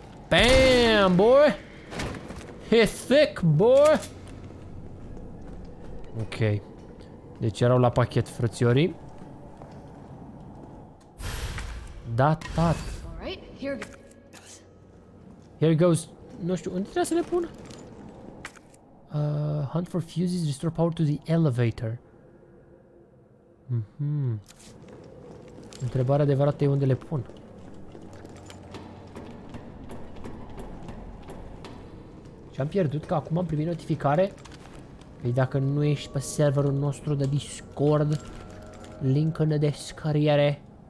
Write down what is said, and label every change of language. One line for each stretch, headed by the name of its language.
English: Bam, boy! He's thick, boy!
Romanian: Ok. Deci erau la pachet, frățiorii. Da, tat.
English: Here goes.
Romanian: Nu știu, unde trebuie să ne pun?
English: Hunt for fuses, restore power to the elevator.
Romanian: Întrebarea adevărată e unde le pun. Și am pierdut că acum am primit notificare. Păi dacă nu ești pe serverul nostru de Discord, link în descriere.